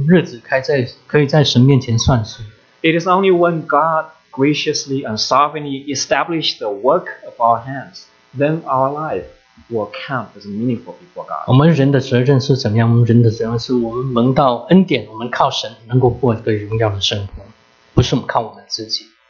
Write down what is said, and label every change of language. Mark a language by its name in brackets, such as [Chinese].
[Chinese] 17节，因着神坚立我们，我们生命才可以在神面前算数，我们所做的，可以我们生命所过的日子，可以在神面前算数。 [English] It is only when God graciously and sovereignly established the work of our hands, then our life will count as meaningful before God. [Chinese] 我们人的责任是怎么样？我们人的责任是我们蒙到恩典，我们靠神能够过一个荣耀的生活，不是我们靠我们自己。